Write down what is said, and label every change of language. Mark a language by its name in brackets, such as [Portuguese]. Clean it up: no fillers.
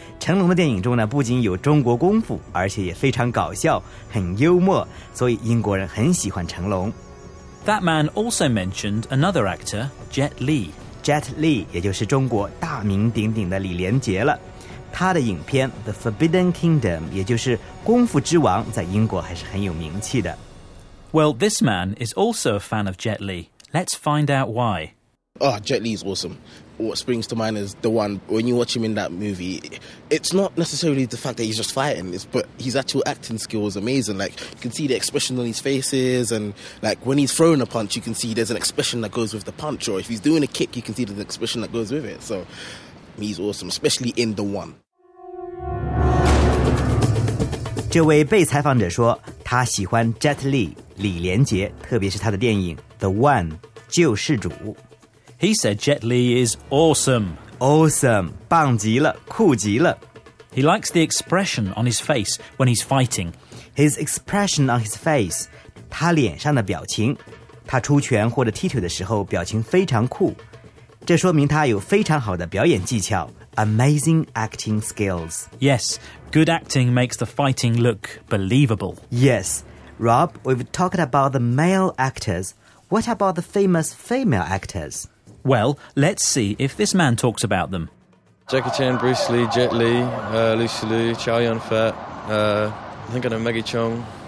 [Chinese] 成龙的电影中呢不仅有中国功夫而且也非常搞笑很幽默所以英国人很喜欢成龙 [English] That man also mentioned another actor, Jet Li. [Chinese] Jet Li, 也就是中国大名鼎鼎的李连杰了。他的影片 The Forbidden Kingdom, 也就是功夫之王在英国还是很有名气的。 [English] Well, this man is also a fan of Jet Li. Let's find out why. Oh, Jet Li is awesome. What springs to mind is the one, when you watch him in that movie, it's not necessarily the fact that he's just fighting, but his actual acting skill is amazing. Like, you can see the expression on his faces, and like, when he's throwing a punch, you can see there's an expression that goes with the punch, or if he's doing a kick, you can see there's an expression that goes with it. So, he's awesome, especially in The One. [Chinese] 这位被采访者说他喜欢 Jet Li, 李连杰特别是他的电影 The One, 救世主。 [English] He said Jet Li is awesome. [Chinese] Awesome, 棒极了，酷极了。 [English] He likes the expression on his face when he's fighting. His expression on his face, [Chinese] 他脸上的表情。他出拳或者踢腿的时候表情非常酷。这说明他有非常好的表演技巧。 [English] Amazing acting skills. Yes, good acting makes the fighting look believable. Yes, Rob, we've talked about the male actors. What about the famous female actors? Well, let's see if this man talks about them. Jackie Chan, Bruce Lee, Jet Li, Lucy Liu, Chow Yun-Fat, I think I know Maggie Cheung.